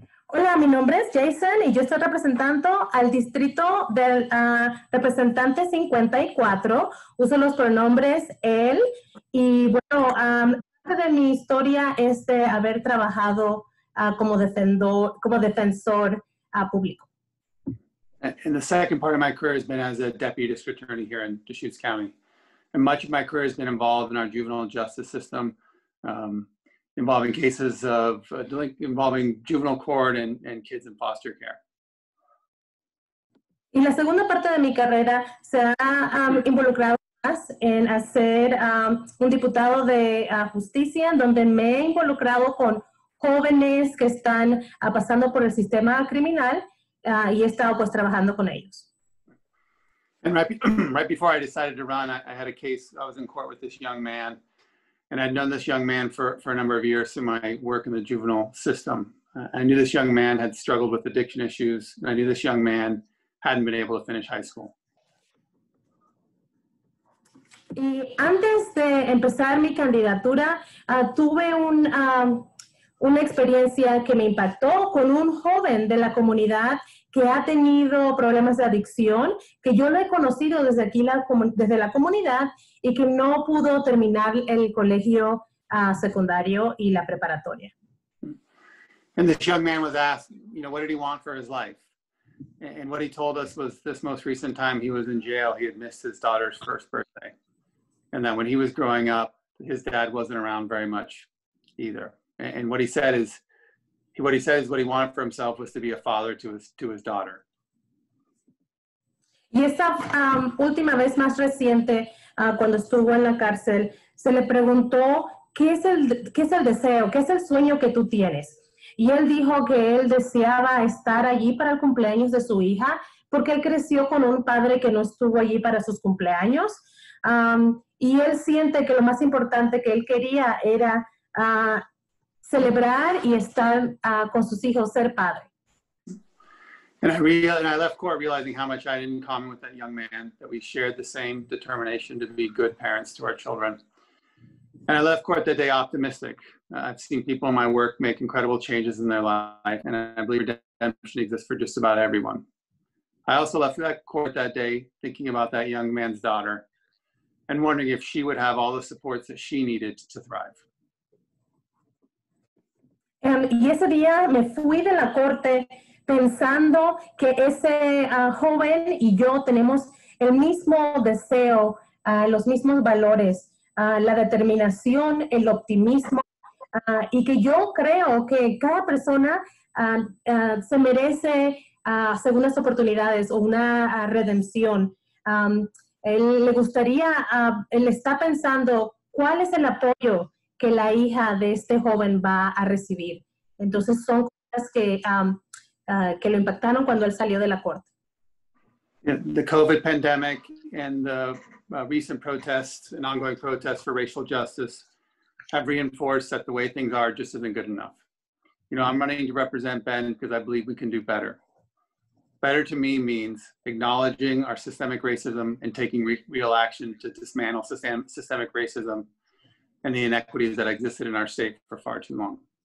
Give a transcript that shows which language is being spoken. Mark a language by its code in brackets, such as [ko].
[es] Hola, mi nombre es Jason y yo estoy representando al distrito del representante 54. Uso los pronombres él y bueno, parte de mi historia es de haber trabajado como defensor público. [en] And the second part of my career has been as a deputy district attorney here in Deschutes County. And much of my career has been involved in our juvenile justice system. Involving cases of involving juvenile court and kids in foster care. [es] Y la segunda parte de mi carrera se ha involucrado más en hacer un diputado de justicia, donde me he involucrado con jóvenes que están pasando por el sistema criminal y he estado pues trabajando con ellos. [en] And right before I decided to run, I had a case. I was in court with this young man. And I'd known this young man for a number of years through my work in the juvenile system. I knew this young man had struggled with addiction issues. And I knew this young man hadn't been able to finish high school. [es] Y antes de empezar mi candidatura, tuve un una experiencia que me impactó con un joven de la comunidad que ha tenido problemas de adicción, que yo lo he conocido desde aquí, desde la comunidad, y que no pudo terminar el colegio secundario y la preparatoria. [en] And this young man was asked, you know, what did he want for his life? And what he told us was this most recent time he was in jail, he had missed his daughter's first birthday. And that when he was growing up, his dad wasn't around very much either. And what he said is, what he wanted for himself was to be a father to his daughter. [es] Y esa última vez más reciente, cuando estuvo en la cárcel, se le preguntó, ¿qué es el deseo? ¿Qué es el sueño que tú tienes? Y él dijo que él deseaba estar allí para el cumpleaños de su hija, porque él creció con un padre que no estuvo allí para sus cumpleaños. Y él siente que lo más importante que él quería era celebrar y estar con sus hijos, ser padre. [en] And I left court realizing how much I had in common with that young man, that we shared the same determination to be good parents to our children. And I left court that day optimistic. I've seen people in my work make incredible changes in their life, and I believe redemption exists for just about everyone. I also left that court that day thinking about that young man's daughter and wondering if she would have all the supports that she needed to thrive. [es] Y ese día me fui de la corte pensando que ese joven y yo tenemos el mismo deseo, los mismos valores, la determinación, el optimismo, y que yo creo que cada persona se merece segundas oportunidades o una redención. Él le gustaría, él está pensando cuál es el apoyo que la hija de este joven va a recibir. Entonces son cosas que lo impactaron cuando él salió de la corte. [en] The COVID pandemic and the recent protests and ongoing protests for racial justice have reinforced that the way things are just isn't good enough. You know, I'm running to represent Ben because I believe we can do better. Better to me means acknowledging our systemic racism and taking real action to dismantle systemic racism and the inequities that existed in our state for far too long.